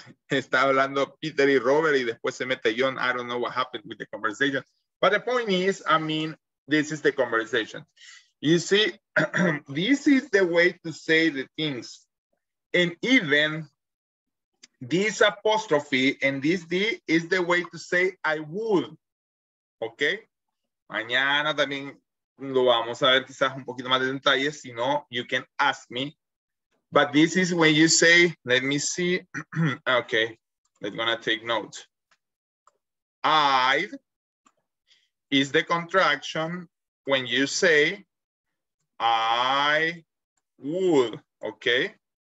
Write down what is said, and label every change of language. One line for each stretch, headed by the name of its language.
Spanish: Está hablando Peter y Robert y después se mete John.
English: I don't know what happened with the conversation. But the point is, I mean, this is the conversation. You see, this is the way to say the things. And even this apostrophe and this D is the way to say I would. Okay?
Spanish: Mañana también lo vamos a ver quizás un poquito más de detalles. Si no,
English: you can ask me. But this is when you say, let me see. Okay, I'm gonna take notes. I'd is the contraction when you say, I would, okay?